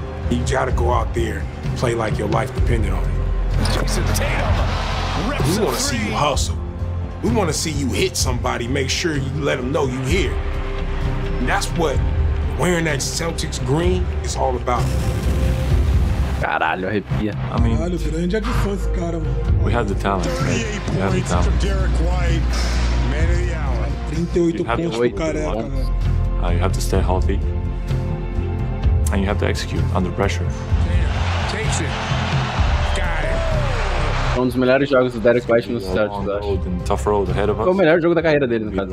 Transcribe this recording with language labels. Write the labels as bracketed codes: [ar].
[en] You got to go out there and play like your life depended on it. Jason Tatum rips a three. We want to see you hustle. We want to see you hit somebody, make sure you let them know you here. And that's what wearing that Celtics green is all about. [pt] Caralho, arrepia. Caralho, grande adição esse cara, mano. [en] We have the talent, right? We have the talent. [pt] 38 pontos pro careca, né? [en] You have to stay healthy. And you have to execute under pressure. Takes it. [pt] Um dos melhores jogos do Derek White no Celtics, acho. [en] Road ahead of us. [pt] Foi o melhor jogo da carreira dele, no caso.